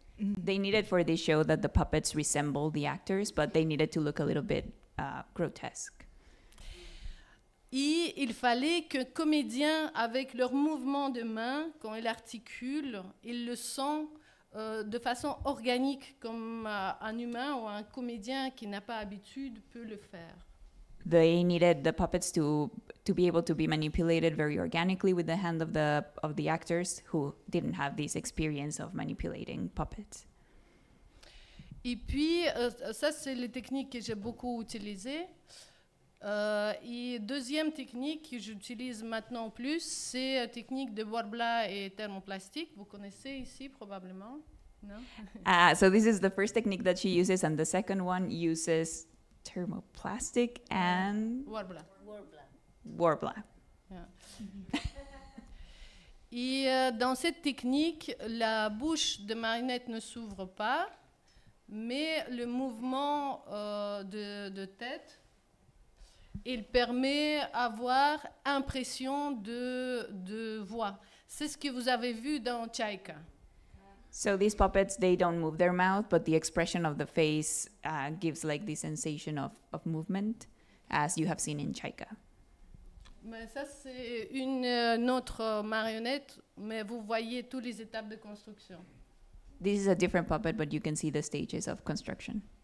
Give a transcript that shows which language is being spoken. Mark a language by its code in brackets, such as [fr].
[en] They needed for this show that the puppets resemble the actors, but they needed to look a little bit grotesque. [fr] Et il fallait qu'un comédien, avec leur mouvement de main, quand il articule, il le sent de façon organique, comme un humain ou un comédien qui n'a pas habitude peut le faire. [en] They needed the puppets to be able to be manipulated very organically with the hand of the actors who didn't have this experience of manipulating puppets. [fr] Et puis ça c'est les techniques que j'ai beaucoup utilisées. Et deuxième technique que j'utilise maintenant plus, c'est la technique de warblage et thermoplastique. Vous connaissez ici probablement, non? [en] So this is the first technique that she uses, and the second one uses thermoplastic and warblage. Yeah. [fr] Et dans cette technique, la bouche de marionnette ne s'ouvre pas, mais le mouvement de tête. Il permet d'avoir impression de voix. C'est ce que vous avez vu dans Chayka. [en] So these puppets, they don't move their mouth, but the expression of the face gives like the sensation of movement, as you have seen in Chayka. [fr] Mais ça c'est une autre marionnette, mais vous voyez toutes les étapes de construction. [en] This is a different puppet, but you can see the stages of construction.